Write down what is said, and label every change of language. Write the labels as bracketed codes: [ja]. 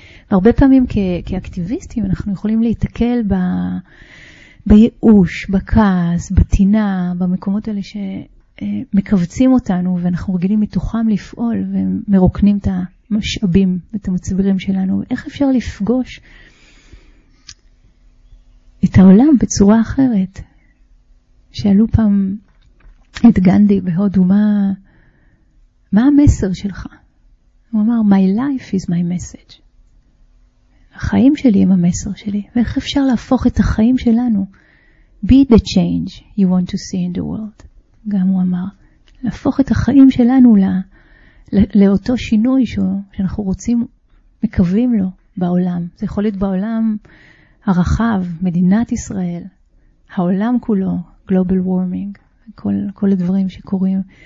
[he] הרבה פעמים כאקטיביסטים אנחנו יכולים להתקל בייאוש, בכעס, בתינה, במקומות האלה שמקבצים אותנו, ואנחנו רגילים מתוכם לפעול, ומרוקנים את המשאבים ואת המצבירים שלנו. איך אפשר לפגוש את העולם בצורה אחרת? שאלו פעם את גנדי בהודו, מה המסר שלך? הוא אמר, [en] my life is my message. [he] החיים שלי הם המסר שלי, ואיך אפשר להפוך את החיים שלנו [en] be the change you want to see in the world. [he] גם הוא אמר, להפוך את החיים שלנו לאותו שינוי שאנחנו רוצים, מקווים לו בעולם. זה יכול להיות בעולם הרחב, מדינת ישראל, העולם כולו, [en] global warming, [he] כל הדברים שקורים.